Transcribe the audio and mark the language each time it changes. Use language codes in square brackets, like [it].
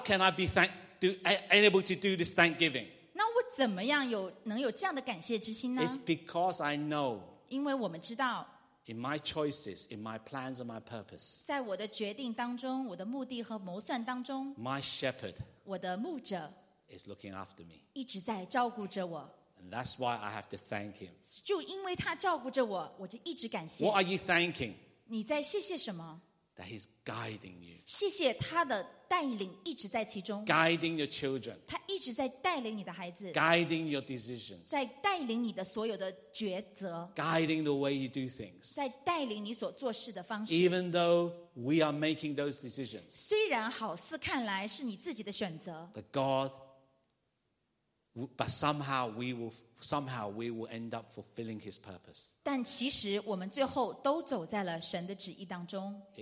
[en] how can I be able to do this thanksgiving? [zh] 那我怎么样有能有这样的感谢之心呢？ [en] It's because I know. [zh] 因为我们知道。 [en] In my choices, in my plans and my purpose. [zh] 在我的决定当中，我的目的和谋算当中。 [en] My shepherd. [zh] 我的牧者。 [en] Is looking after me. [zh] 一直在照顾着我。 [en] That's why I have to thank him. [zh] 就因为他照顾着我，我就一直感谢。 [en] What are you thanking? [zh] 你在谢谢什么？ [en] That he's guiding you. [zh] 谢谢他的带领一直在其中。 [en] Guiding your children. [zh] 他一直在带领你的孩子。 [en] Guiding your decisions. [zh] 在带领你的所有的抉择。 [en] Guiding the way you do things. [zh] 在带领你所做事的方式。 [en] Even though we are making those decisions. [zh] 虽然好似看来是你自己的选择。 [en] But God. But somehow we will end up fulfilling His purpose. [zh] 但其实我们最后都走在了神的旨意当中。